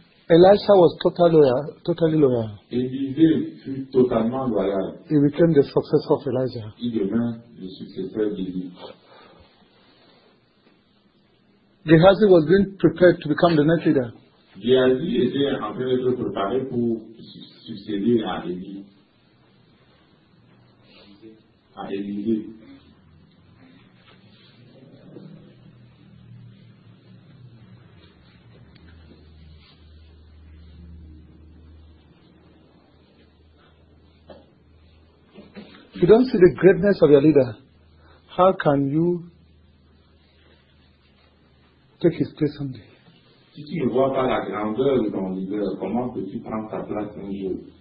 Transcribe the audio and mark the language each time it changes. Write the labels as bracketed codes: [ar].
[en] Elisha was totally loyal. [fr] Élisée fut totalement loyal. [en] He became the successor of Elijah. [fr] Il devint le successeur d'Élie. [en] Gehazi was being prepared to become the next leader. [fr] Gehazi était en train d'être préparé pour succéder à Élie. À Élisée. [en] If you don't see the greatness of your leader, how can you take his place someday? [fr] Si tu ne vois pas la grandeur de ton leader, comment peux-tu prendre ta place un jour?